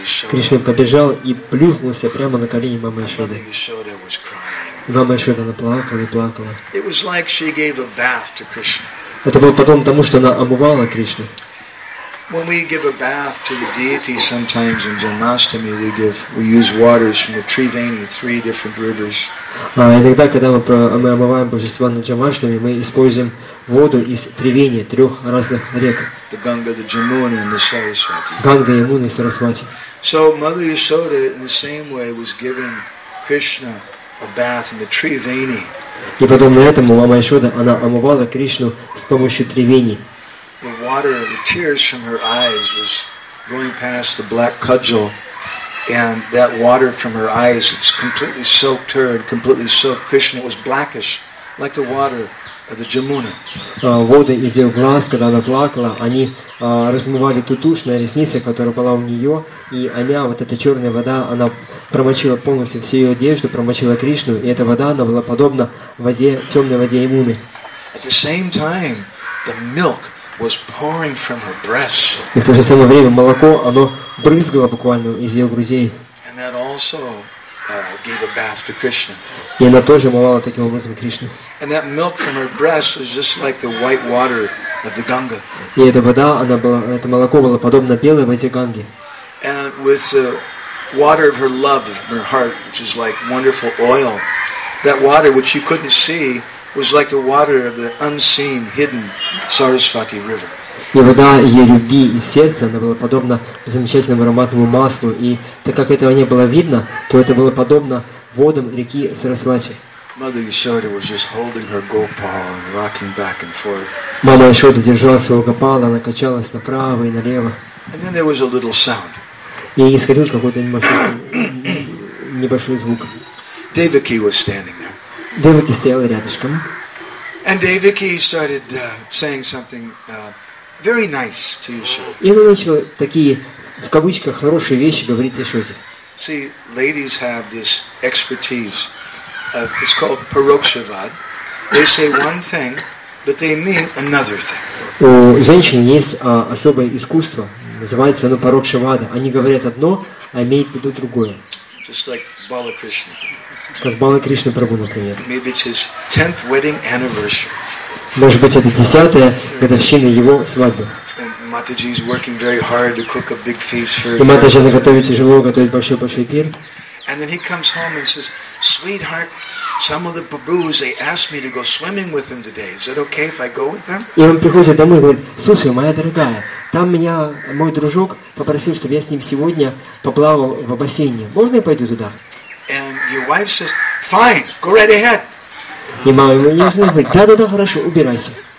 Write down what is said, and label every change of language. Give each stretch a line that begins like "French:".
Russian: Кришна побежал и плюхнулся прямо на колени мамы Яшоды. Мама Яшода наплакала и плакала.
English: It was like she gave a bath to Krishna.
Russian: Это было потом тому, что она омывала Кришну.
English: When we give a bath to the deity, sometimes in Janmashtami we use waters from the Triveni, three different rivers.
Russian: Иногда, когда мы омываем божества на Джамаштами, мы используем воду из Тривени, трех разных рек.
English: The Ganga, the Jamuna, and the Saraswati.
Russian: Ганга, Ямуна и Сарасвати.
English: So Mother Yashoda, in the same way, was giving Krishna a bath in the Triveni.
Russian: И подобно этому мама Яшода, она омывала Кришну с помощью Тривени.
English: The water, the tears from her eyes was going past the black cudgel, and that water from her eyes was completely soaked her and completely soaked Krishna. It was blackish, like the water of the Jamuna.
Russian: Воды из ее глаз, когда она плакала, они размывали ту тушь на ресницах, которая была у нее, и она, вот эта черная вода, она промочила полностью всю ее одежду, промочила Кришну, и эта вода, она была подобна воде, темной воде Ямуны.
English: At the same time, the milk was pouring from her breasts.
Russian: И в то же самое время молоко, оно брызгало буквально из ее грудей.
English: And that also gave a bath to Krishna.
Russian: И она тоже омывала таким образом Кришну.
English: And that milk from her breast was just like the white water of the Ganga.
Russian: И эта вода, она была, это молоко было подобно белой воде Ганги.
English: And with the water of her love, of her heart, which is like wonderful oil, that water which you couldn't see was like the water of the unseen, hidden Sarasvati River.
Russian: И вода ее любви и сердца, она была подобна замечательному ароматному маслу. И так как этого не было видно, то это было подобно водам реки Сарасвати.
English: Mother Yashoda was just holding her Gopal and rocking back and forth.
Russian: Мама Яшода держала своего Гопала, она качалась направо и налево.
English: And then there was a little sound.
Russian: И исходил какой-то небольшой звук.
English: Devaki was standing there.
Russian: Девики стояли рядышком.
English: And Devaki started saying something very nice to Yashoda.
Russian: И она начала такие в кавычках хорошие вещи говорить Яшоде.
English: See, ladies have this expertise. It's called parokshavad. They say one thing, but they mean another thing.
Russian: У женщин есть особое искусство, называется оно парокшавада. Они говорят одно, а имеют в виду другое.
English: Just like Bala Krishna.
Russian: Как Бала Кришна Прабу, например.
English: Maybe it's his 10th wedding anniversary.
Russian: Может быть, это 10-я годовщина его свадьбы.
English: And Mataji is working very hard to cook a big feast for.
Russian: И Матаджи готовит тяжело, готовит большой большой пир.
English: And then he comes home and says, "Sweetheart, some of the babus they asked me to go swimming with them today. Is it okay if I go with them?"
Russian: И он приходит домой и говорит: "Слушай, моя дорогая, там меня мой дружок попросил, чтобы я с ним сегодня поплавал в бассейне. Можно я пойду туда?"
English: Your wife says, "Fine, go right ahead."
Russian: И мама ему не знает, да, хорошо, убирайся.